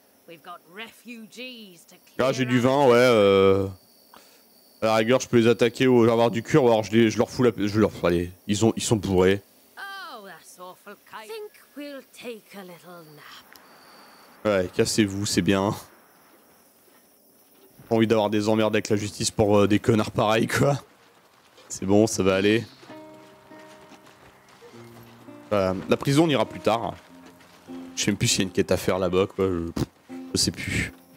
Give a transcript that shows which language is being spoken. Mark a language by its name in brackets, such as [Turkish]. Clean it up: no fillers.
[English] We've got refugees to clear. [French] Ah, j'ai du vin, ouais. À la rigueur, je peux les attaquer ou avoir du cuir, ou alors je leur fous la... Allez, ils sont bourrés. [English] Oh, that's awful. I think we'll take a little nap. [French] Ouais, cassez-vous, c'est bien. Envie d'avoir des emmerdes avec la justice pour des connards pareils, quoi. C'est bon, ça va aller. La prison, on ira plus tard. Je sais même plus s'il y a une quête à faire là-bas, quoi. Je sais plus.